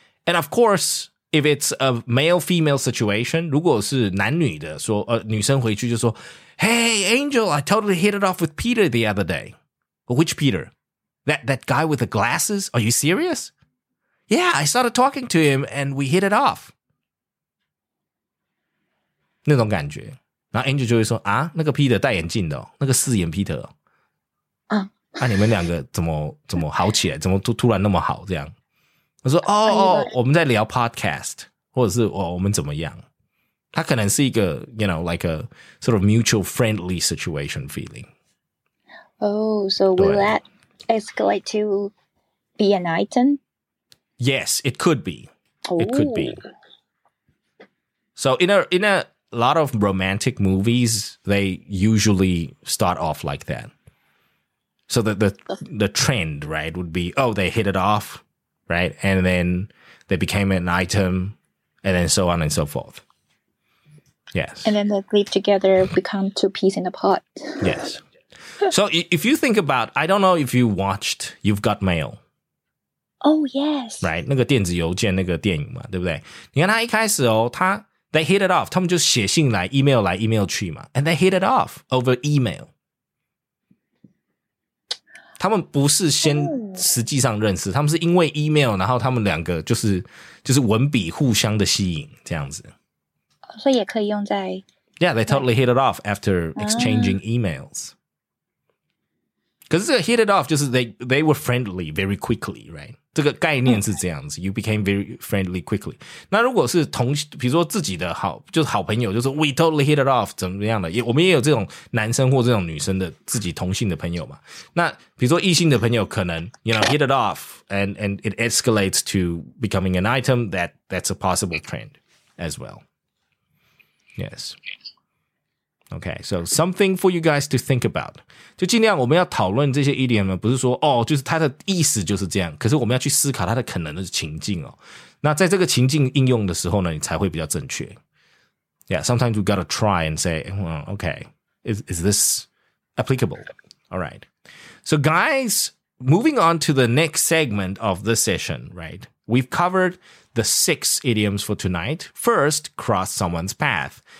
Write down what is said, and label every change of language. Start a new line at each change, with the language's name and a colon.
English: And of course, if it's a male-female situation,
Chinese: 如果是男女的说、女生回去就说
English: Hey, Angel, I totally hit it off with Peter the other day. Which Peter? That guy with the glasses? Are you serious? Yeah, I started talking to him and we hit it off.
Chinese: 那种感觉。然后 Angel 就会说啊，那个 Peter 戴眼镜的、哦，那个四眼 Peter，那你们两个怎么好起来，怎么突然那么好这样？我说哦，我们在聊 podcast， 或者是、哦、我们怎么样？它可能是一个
English: you know like a sort of mutual friendly situation feeling. Oh, so will that escalate to be an item? Yes, it could be. It could be. So in a lot of romantic movies, they usually start off like that. So the trend, right, would be, oh, they hit it off, right? And then they became an item, and then so on and so forth. Yes. And then they live together, become two peas in a pot. Yes. So if you think about, I don't know if you watched You've Got Mail. Oh, yes.
Chinese: Right, 那个电子邮件那个电影嘛，对不对？你看他一开始哦，他
English: they hit it off,
Chinese: 他们就写信来 email 来 email 去嘛
English: and they hit it off over email.
Chinese: 他们不是先实际上认识，他们是因为 email, 然后他们两个就是文笔互相的吸引这样子。所以也可以用在
English: Yeah, they totally hit it off after exchanging emails. Because hit it off, just they were friendly very quickly, right?
Chinese: 这个概念是这样子
English: You became very friendly quickly.
Chinese: 那如果是同比如说自己的好就是好朋友就是
English: we totally hit it off,
Chinese: 怎么样的我们也有这种男生或这种女生的自己同性的朋友嘛。
English: 那比如说异性的朋友可能 you know, hit it off, and it escalates to becoming an item, that's a possible trend as well. Yes. Okay, so something for you guys to think about.
Chinese: 就尽量我们要讨论这些 idiom, 不是说哦，就是它的意思就是这样，可是我们要去思考它的可能的情境哦。那在这个情境应用的时候呢，你才会比较正确。
English: Yeah, sometimes you gotta try and say, okay, is this applicable? All right. So guys, moving on to the next segment of the session, right? We've covered the six idioms for tonight. First, cross someone's path.